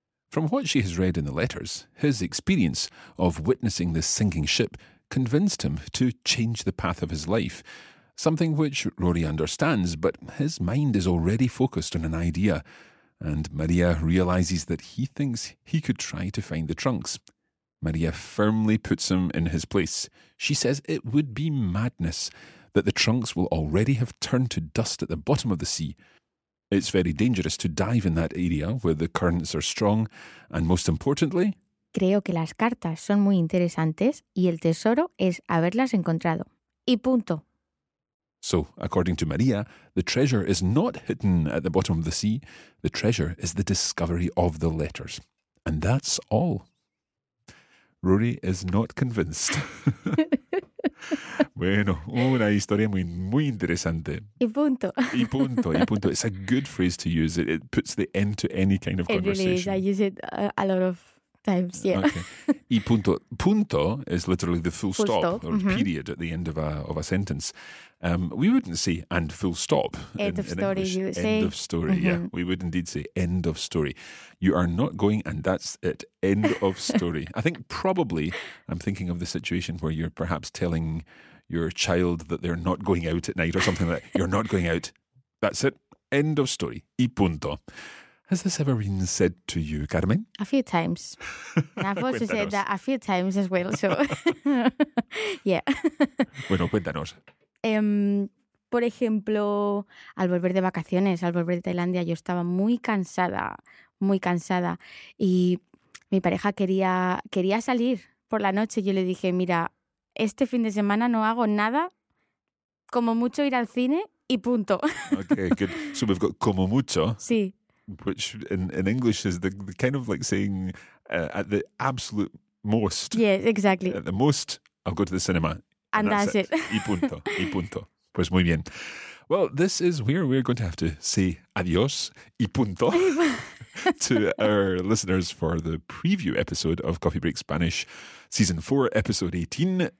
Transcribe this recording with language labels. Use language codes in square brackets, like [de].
[en] From what she has read in the letters, his experience of witnessing the sinking ship convinced him to change the path of his life, something which Rory understands, but his mind is already focused on an idea, and Maria realizes that he thinks he could try to find the trunks. Maria firmly puts him in his place. She says it would be madness, that the trunks will already have turned to dust at the bottom of the sea. It's very dangerous to dive in that area where the currents are strong, and most importantly... [es] Creo que las cartas son muy interesantes y el tesoro es haberlas encontrado. Y punto. [en] So, according to Maria, the treasure is not hidden at the bottom of the sea. The treasure is the discovery of the letters. And that's all. Rory is not convinced. [es] Bueno, una historia muy, muy interesante. Y punto. Y punto, y punto. [en] It's a good phrase to use. It puts the end to any kind of it conversation. It really is. I use it a lot of times, yeah. [es] Okay. Y punto. [en] Punto is literally the full stop. Or mm-hmm. period at the end of a sentence. We wouldn't say and full stop. End of story. Mm-hmm. Yeah, we would indeed say end of story. You are not going and that's it. End of story. I think probably I'm thinking of the situation where you're perhaps telling your child that they're not going out at night or something like that. You're not going out. That's it. End of story. [es] Y punto. [en] Has this ever been said to you, Carmen? A few times. And I've also said that a few times as well. So, yeah. [es] Bueno, cuéntanos. Por ejemplo, al volver de vacaciones, al volver de Tailandia, yo estaba muy cansada. Y mi pareja quería salir por la noche. Yo le dije, mira, este fin de semana no hago nada, como mucho ir al cine y punto. [en] Okay, good. So we've got [es] como mucho. Sí. [en] Which in English is the kind of like saying at the absolute most. Yes, exactly. At the most, I'll go to the cinema. And that's it. [es] Y punto, y punto. Pues muy bien. [en] Well, this is where we're going to have to say [es] adios y punto [en] to our listeners for the preview episode of Coffee Break Spanish, Season 4, Episode 18.